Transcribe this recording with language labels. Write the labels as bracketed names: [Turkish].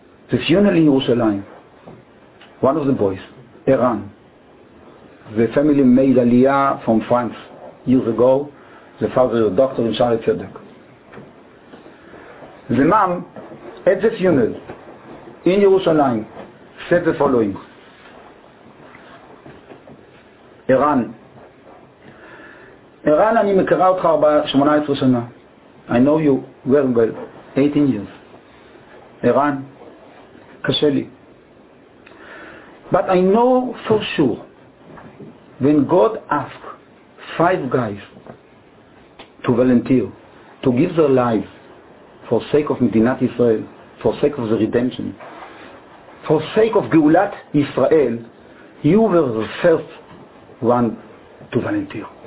[English] The funeral in Yerushalayim, one of the boys, Eran, the family made Aliyah from France years ago, the father is a doctor in Shari Tzedek. The mom, at the funeral in Yerushalayim, said the following. [Hebrew] Eran, אני מכירה אותך 18 שנה. [English] I know you very well, 18 years. Eran, [Hebrew] קשה לי. [English] But I know for sure, when God asked 5 guys to volunteer, to give their lives for sake of [Hebrew] מדינת ישראל, [English] for sake of the redemption, for sake of [Hebrew] גאולת ישראל, [English] you were the first one to volunteer.